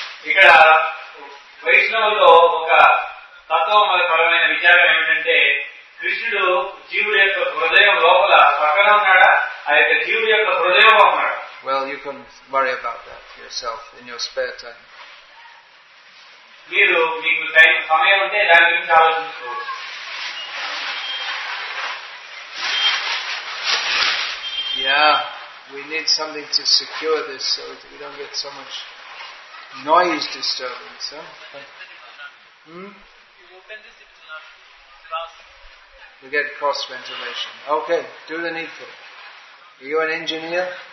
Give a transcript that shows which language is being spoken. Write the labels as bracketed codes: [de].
[te] ఇక్కడ వైష్ణవులు ఒక తత్వపరమైన విచారం ఏమిటంటే కృష్ణుడు జీవుడి యొక్క హృదయం లోపల పక్కన ఉన్నాడా, ఆ యొక్క జీవుడి యొక్క హృదయం ఉన్నాడా? [en] Well, you can worry about that yourself in your spare time. [te] మీరు మీకు సమయం ఉంటే దాని గురించి ఆలోచించుకోవచ్చు. [en] Yeah, we need something to secure this so that we don't get so much noise disturbance. Huh? We get cross ventilation. Okay, do the needful. Are you an engineer?